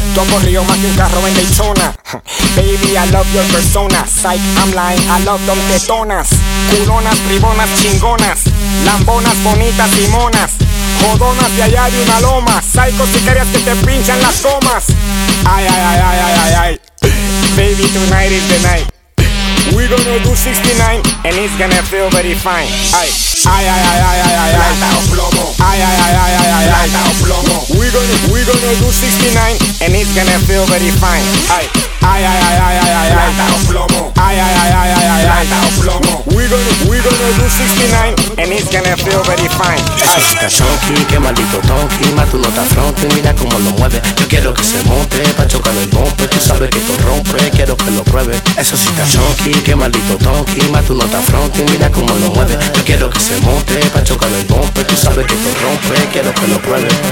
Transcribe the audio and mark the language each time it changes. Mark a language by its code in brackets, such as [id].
[es] Tú has corrido más que un carro en Daytona. [en] Baby, I love your persona. Psych, I'm lying, I love them tetonas. [es] Culonas, tribonas, chingonas. Lambonas, bonitas, timonas. Jodonas de allá de una loma. Psycho, si querías que te pinchan las gomas. Ay, ay, ay, ay, ay, ay, ay. [en] Baby, tonight is the night. We gonna do 69 and it's gonna feel very fine. Ay, ay, ay, ay, ay, ay, ay, ay, ay, ay, ay, ay, ay, ay, ay, ay, plomo. We gonna do 69 and it's gonna feel very fine. Ay, ay, ay, ay, ay, ay, ay, ay, plomo. Ay, ay, ay, ay, ay, ay, ay, plomo. We gonna do 69 and it's gonna feel very fine. [es] Está chonky, qué maldito tonky. Más tú no estás fronte, mira cómo lo mueve. Yo quiero que se monte pa' chocar el bumper. Tú sabes que esto rompe, quiero que lo pruebe. Eso sí está chonky, qué maldito tonky. Más tú no estás fronte, mira cómo lo mueve. Yo quiero que se monte pa' chocar el bumper. Tú sabes que esto rompe, quiero que lo pruebe.